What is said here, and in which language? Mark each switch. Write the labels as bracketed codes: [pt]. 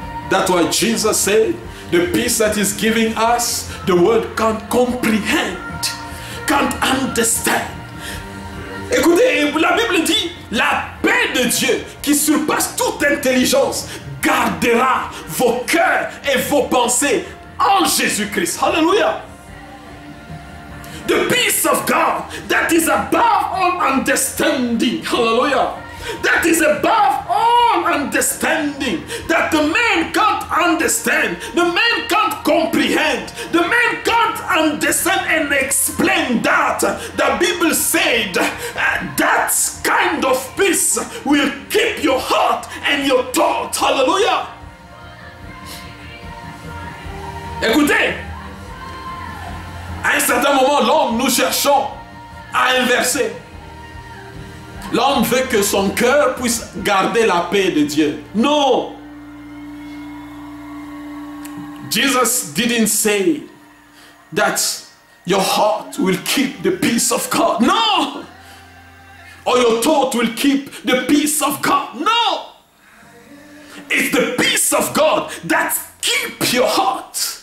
[en] That's why Jesus said, the peace that is giving us, the world can't comprehend. Can't understand. [fr] Écoutez, la Bible dit, la paix de Dieu qui surpasse toute intelligence gardera vos cœurs et vos pensées en Jésus-Christ. Hallelujah. [en] The peace of God that is above all understanding. Hallelujah. that is above all understanding, that the man can't understand, the man can't comprehend, the man can't understand and explain that. The Bible said that kind of peace will keep your heart and your thoughts. Hallelujah. [fr] Écoutez, à un certain moment, l'homme, nous cherchons à inverser. L'homme veut que son cœur puisse garder la paix de Dieu. Non. [en] Jesus didn't say that your heart will keep the peace of God. No. Or your thought will keep the peace of God. No. It's the peace of God that keeps your heart.